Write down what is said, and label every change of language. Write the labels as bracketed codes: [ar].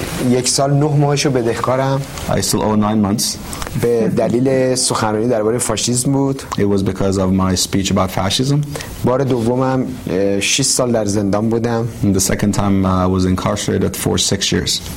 [fa] یک سال نه ماهش رو بدهکارم. [en] I still owe 9 months. [fa] به دلیل سخنرانی درباره فاشیسم بود. [en] It was because of my speech about fascism. [fa] بار دومم 6 سال در زندان بودم. [en] And the second time I was incarcerated for 6 years.